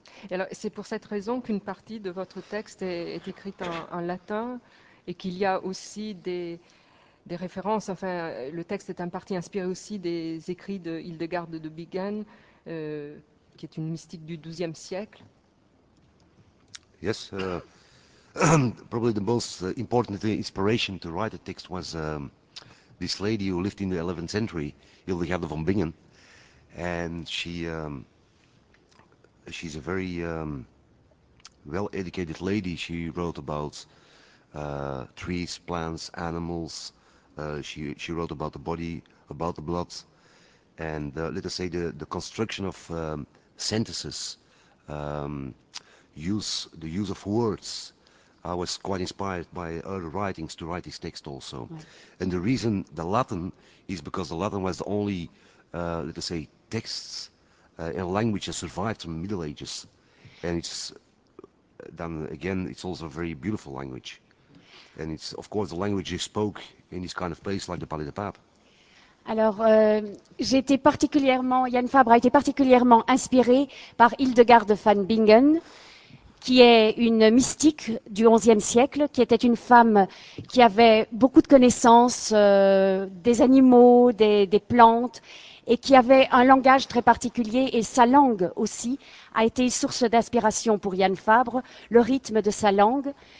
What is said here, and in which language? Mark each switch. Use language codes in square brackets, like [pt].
[fr] Et alors, c'est pour cette raison qu'une partie de votre texte est écrite en latin et qu'il y a aussi des références. Enfin, le texte est en partie inspiré aussi des écrits de Hildegarde de Bingen, qui est une mystique du XIIe siècle. [en] Yes, probably the most important inspiration to write a text was this lady who lived in the 11th century, Hildegarde von Bingen, and she's a very well-educated lady. She wrote about trees, plants, animals. She wrote about the body, about the blood, and let us say the construction of sentences, the use of words. I was quite inspired by her writings to write this text also. Right. And the reason the Latin is because the Latin was the only, let us say, texts in a language that survived from the Middle Ages. And it's, then again, it's also a very beautiful language. And it's, of course, the language you spoke in this kind of place, like the Palais de Pape. [fr] Alors, Yann Fabre a été particulièrement inspiré par Hildegarde van Bingen, qui est une mystique du XIe siècle, qui était une femme qui avait beaucoup de connaissances des animaux, des plantes, et qui avait un langage très particulier, et sa langue aussi a été source d'inspiration pour Yann Fabre, le rythme de sa langue.